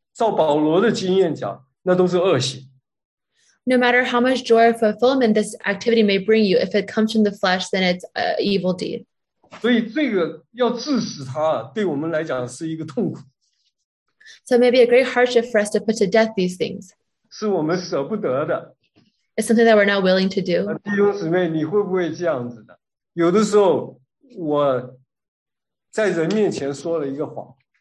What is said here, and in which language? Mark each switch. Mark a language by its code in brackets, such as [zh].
[zh] 不管这个行为带给我多大的快乐和多大的这个满足，弟兄姊妹，如果是在自己的身体里面的，那很可能都是，照保罗的经验讲，那都是恶行。 [en] No matter how much joy or fulfillment this activity may bring you, if it comes from the flesh, then it's an evil deed. [zh] 所以这个要致死它，对我们来讲是一个痛苦。 [en] So maybe a great hardship for us to put to death these things. [zh] 是我们舍不得的。 [en] It's something that we're not willing to do. [zh] 弟兄姊妹，你会不会这样子的？有的时候我在人面前说了一个谎。